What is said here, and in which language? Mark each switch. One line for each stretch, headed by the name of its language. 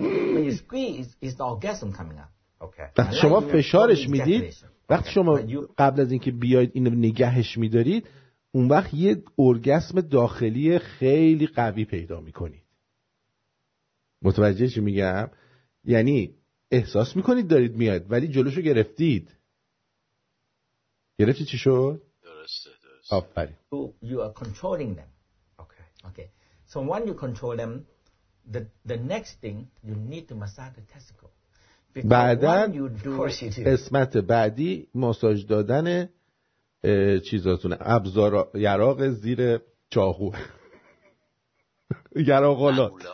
English: when you squeeze is the orgasm coming up. Okay.
Persian: شما فشارش میدید وقتی شما قبل از اینکه بیاید اینو نگهش میدارید اون وقت یه اورگاسم داخلی خیلی قوی پیدا میکنید. متوجه چی میگم؟ یعنی احساس میکنید دارید میاد ولی جلوشو گرفتید چی شد؟ درسته. آفرین.
English: You are controlling them. Okay. So when you control them the next thing you need to massage the testicle.
Persian: بعدن قسمت بعدی ماساژ دادن چیزاتونه، ابزار یراق زیر چاقو یراقالات